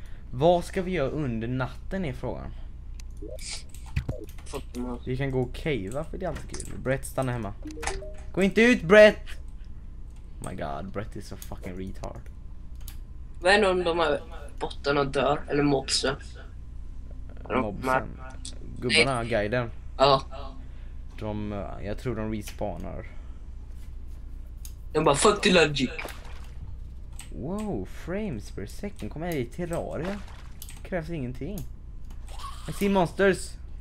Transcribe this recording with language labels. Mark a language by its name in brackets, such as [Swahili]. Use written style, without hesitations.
[Swedish] Vad ska vi göra under natten är frågan. Vi kan gå och cava för det är alltid kul. Brett stanna hemma. Gå inte ut Brett. [English] Oh my god, Brett is a fucking retard. [Swedish] Vad är om de här bottarna dör eller mobsen? Mobsen. Gubbarna, guiden. Ja. De, jag tror de respawnar. De bara [English] fuck the logic. Wow, frames per second. [Swedish] Kommer jag i terraria? Krävs ingenting. [English] I see monsters.